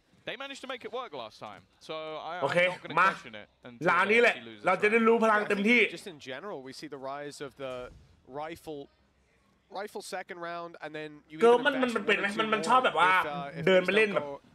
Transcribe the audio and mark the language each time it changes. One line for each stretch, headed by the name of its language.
English: They managed to make it work last time, so I'm okay, not going to question it.
Thai: ลานี้แหละเราจะได้รู้พลังเต็มที่
English: Just in general, we see the rise of the rifle. Rifle second round, and then you.
Thai: เกมมันเป็นไหมมันชอบแบบว่าเดินไปเล่นแบบ